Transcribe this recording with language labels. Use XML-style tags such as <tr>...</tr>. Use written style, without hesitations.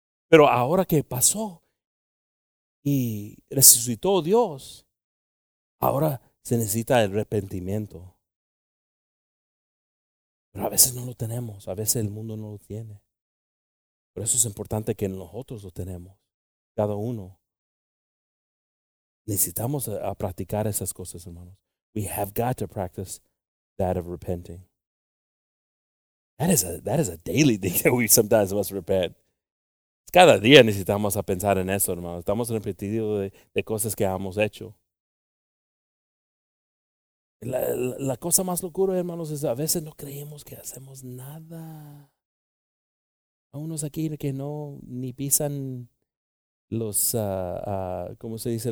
<es>Pero ahora que pasó y resucitó Dios, ahora se necesita el arrepentimiento. Pero a veces no lo tenemos, a veces el mundo no lo tiene. Por eso es importante que nosotros lo tenemos, cada uno. Necesitamos a practicar esas cosas, hermanos.</es> <en>We have got to practice that of repenting. That is a daily thing that we sometimes must repent.</en> <es>Cada día necesitamos a pensar en eso, hermanos. Estamos repetidos de cosas que hemos hecho. La cosa más locura, hermanos, es a veces no creemos que hacemos nada. Hay unos aquí que no ni pisan los, ¿cómo se dice?</es>